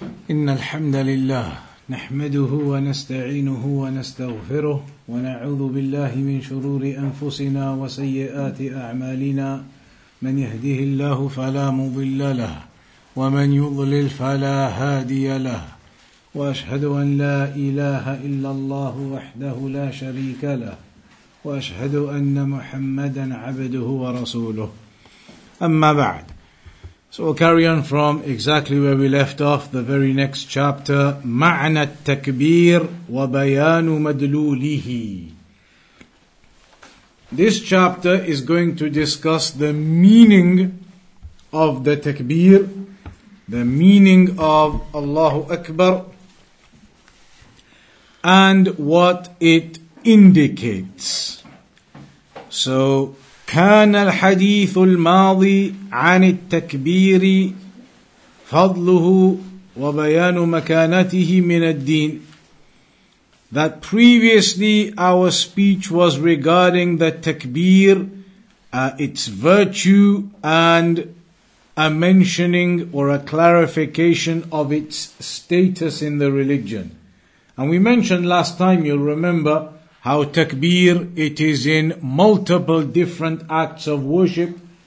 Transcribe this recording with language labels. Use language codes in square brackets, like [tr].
[ar] إن الحمد لله نحمده ونستعينه ونستغفره ونعوذ بالله من شرور أنفسنا وسيئات أعمالنا من يهده الله فلا مضل له ومن يضلل فلا هادي له وأشهد أن لا إله إلا الله وحده لا شريك له وأشهد أن محمدا عبده ورسوله أما بعد. [en] So we'll carry on from exactly where we left off, the very next chapter. [ar] مَعْنَ التَّكْبِيرُ وَبَيَانُ مَدْلُولِهِ. [en] This chapter is going to discuss the meaning of the takbir, the meaning of Allahu Akbar, and what it indicates. So, [ar] كان الحديث الماضي عن التكبير فضله وبيان مكانته من الدين. [en] That previously our speech was regarding the takbir, its virtue and a mentioning or a clarification of its status in the religion. And we mentioned last time, you'll remember, how takbir, it is in multiple different acts of worship.